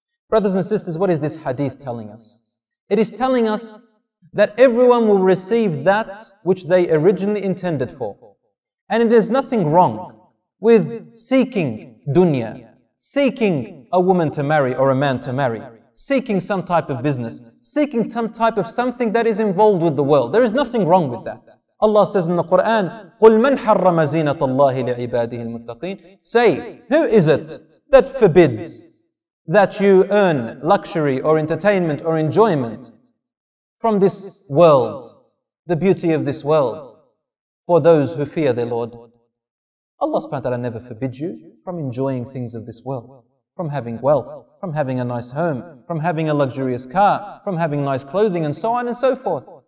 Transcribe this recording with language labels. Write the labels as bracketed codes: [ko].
[en] Brothers and sisters, what is this hadith telling us? It is telling us that everyone will receive that which they originally intended for. And it is nothing wrong with seeking dunya, seeking a woman to marry or a man to marry, seeking some type of business, seeking some type of something that is involved with the world. There is nothing wrong with that. Allah says in the Quran, [ar] قُلْ مَنْ حَرَّمَ زِينَةَ اللَّهِ لِعِبَادِهِ الْمُتَّقِينَ. [en] Say, who is it that forbids that you earn luxury or entertainment or enjoyment from this world, the beauty of this world, for those who fear their Lord? Allah subhanahu wa ta'ala never forbids you from enjoying things of this world, from having wealth, from having a nice home, from having a luxurious car, from having nice clothing, and so on and so forth.